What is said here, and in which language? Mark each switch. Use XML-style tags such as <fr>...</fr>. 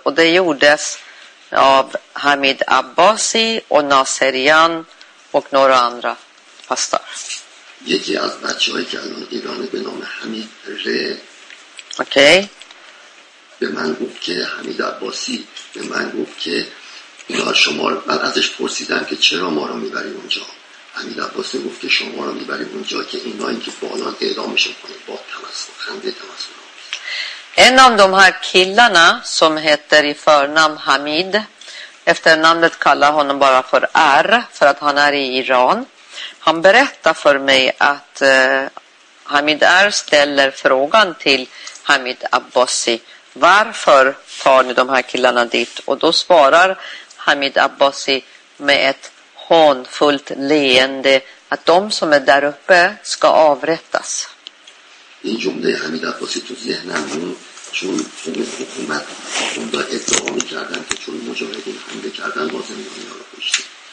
<sv>Och det gjordes av Hamid Abbasi och Naserian och några andra pastor.</sv> <fa>یکی از بچه هایی که الان ایرانه به نام حمید ره okay. به من گفت که حمید عباسی به من گفت که اینا شما رو من ازش پرسیدم که چرا ما رو میبریم اونجا. حمید عباسی گفت که شما رو میبریم اونجا که اینا اینکه بالا اعدامشون کنه با تمسخر خنده تمسخر.</fa> <sv>En av de här killarna som heter i förnamn Hamid, efternamnet kallar honom bara för R för att han är i Iran. Han berättar för mig att Hamid R ställer frågan till Hamid Abbasi. Varför tar ni de här killarna dit? Och då svarar Hamid Abbasi med ett hånfullt leende att de som är där uppe ska avrättas.</sv> <fa>این جمله حمید عباسی تو ذهنم بود چون حکومت اونجا ادعا میکردن که چون مجاهدین حمله کردن با زندانی ها رو کشتن.</fa>